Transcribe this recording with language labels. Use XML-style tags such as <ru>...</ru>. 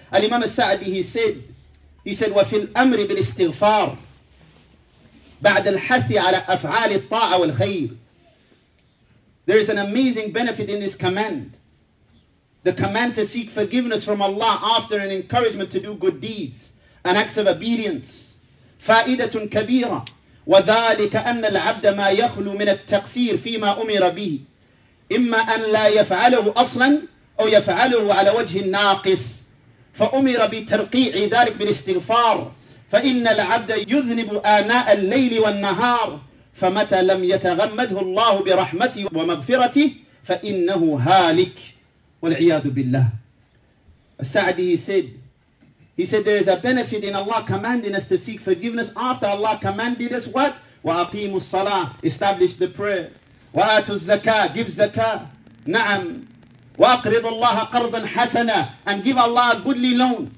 <ar>Al-Imam al-Sa'di,</ar> <en>he said,</en> <ar>وَفِي الْأَمْرِ بِالْإِسْتِغْفَارِ بَعْدَ الْحَثِ عَلَى أَفْعَالِ الطَّاعَ وَالْخَيْرِ.</ar> <en>There is an amazing benefit in this command. The command to seek forgiveness from Allah after an encouragement to do good deeds and acts of obedience.</en> <ar>فَائِدَةٌ كَبِيرًا وَذَلِكَ أَنَّ الْعَبْدَ مَا يَخْلُو مِنَ التَّقْسِيرِ فِي مَا أُمِرَ بِهِ إِمَّا أَنْ لَا يَفْعَلَهُ أَصْلًا أو يفعله على وجه ناقص فأمر بترقيع ذلك بالاستغفار فإن العبد يذنب آناء الليل والنهار فمتى لم يتغمده الله برحمته ومغفرته فإنه هالك والعياذ بالله.</ar> <en>السعدي, he said there is a benefit in Allah commanding us to seek forgiveness after Allah commanded us what?</en> <ar>وَأَقِيمُ الصَّلَاةِ,</ar> <en>establish the prayer.</en> <ar>وَآتُ الزَّكَاةِ,</ar> <en>give zakah.</en> <ar>نعم. وَأَقْرِضُ اللَّهَ قَرْضًا حَسَنًا,</ar> <en>and give Allah a goodly loan.</en>